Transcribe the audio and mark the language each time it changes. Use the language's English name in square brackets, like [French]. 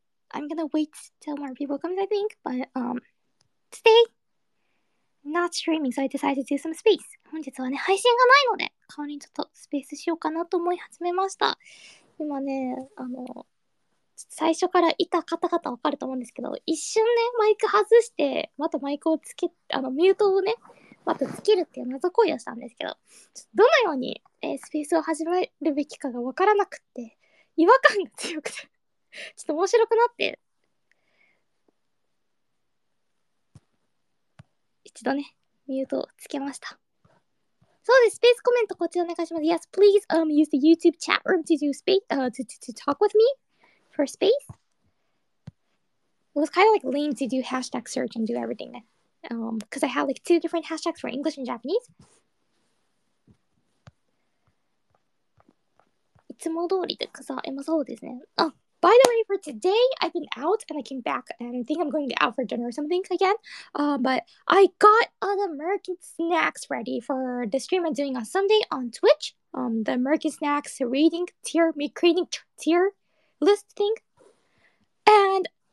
[English] I'm gonna wait till more people come, I think, but today, not streaming, so I decided to do some space. [Japanese] 本日はね、配信がないので、代わりにちょっとスペースしようかなと思い始めました。今ね、最初からいた方々わかると思うんですけど、一瞬ね、マイク外して、またマイクをつけ、ミュートをね、またつけるっていう謎行為をしたんですけど、どのように、スペースを始めるべきかが分からなくって、違和感が強くて、ちょっと面白くなって。一度ね、ミュートをつけました。そうです、スペースコメントこっちお願いします。 [English] Yes, please, use the YouTube chat room to do space, to talk with me for space. It was kind of like lame to do hashtag search and do everything then. Because I have like two different hashtags for English and Japanese. [Japanese] いつも通りでかさ、今そうですね。 [English] Oh, by the way, for today, I've been out and I came back and I think I'm going to get out for dinner or something again. But I got the American snacks ready for the stream I'm doing on Sunday on Twitch. The American snacks reading tier, me creating tier list thing. And...